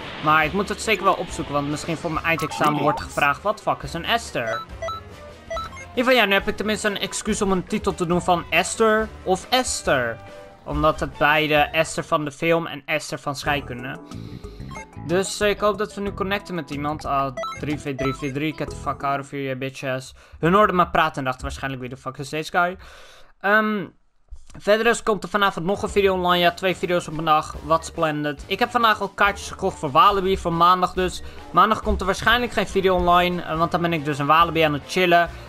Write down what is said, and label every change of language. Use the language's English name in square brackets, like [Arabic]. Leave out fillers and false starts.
[Dutch] Maar ik moet het zeker wel opzoeken, want misschien voor mijn eindexamen wordt gevraagd, wat fuck is een ester? In ieder geval, ja, nu heb ik tenminste een excuus om een titel te doen van Esther of Esther. Omdat het beide Esther van de film en Esther van scheikunde. Dus ik hoop dat we nu connecten met iemand. [English] Ah, 3v3v3, get the fuck out of here, you bitches. [Dutch] Hun hoorden maar praten en dachten waarschijnlijk wie de fuck is deze guy. Verder dus komt er vanavond nog een video online. Ja, 2 video's op een dag. [English] What's splendid. [Dutch] Ik heb vandaag ook kaartjes gekocht voor Walibi voor maandag dus. Maandag komt er waarschijnlijk geen video online, want dan ben ik dus in Walibi aan het chillen.